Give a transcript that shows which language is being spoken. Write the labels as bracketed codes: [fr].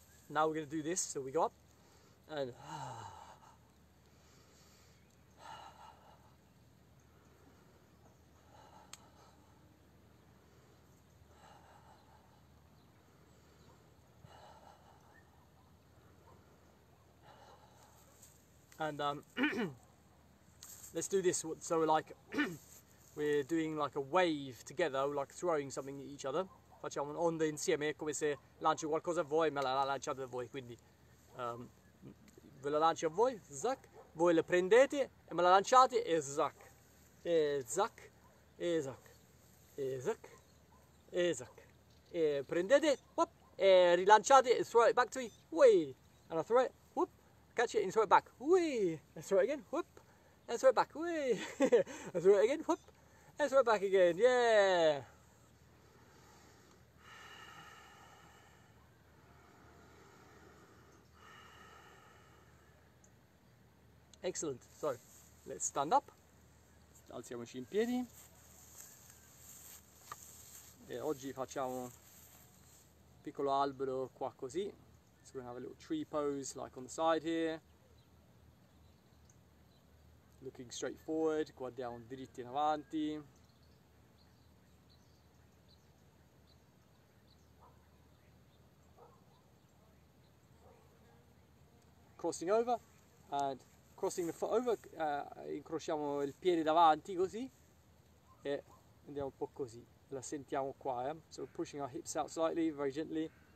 [en] Now we're gonna do this, so we go up and let's do this. So we're like, we're doing like a wave together, like throwing something at each other. [it] Facciamo un'onda insieme, come se lancio qualcosa a voi, me la lanciate a voi. Quindi, ve la lancio a voi, zac, voi la prendete e me la lanciate e zac, e zac, e zac, e zac, e zac. E prendete, [en] whoop, [it] e rilanciate e [en] throw it back to me, whee, and I throw it. Catch it and throw it back. Whee! And throw it again. Whoop! And throw it back. Whee! And throw it again. Whoop! And throw it back again. Yeah! Excellent. So, let's stand up. [it] Alziamoci in piedi. E oggi facciamo un piccolo albero qua così. [en] So we're going to have a little tree pose, like on the side here. Looking straight forward, [it] guardiamo dritti in avanti. [en] Crossing over, and crossing the foot over, [it] incrociamo il piede davanti così. E andiamo un po' così, la sentiamo qua. [en] So we're pushing our hips out slightly, very gently.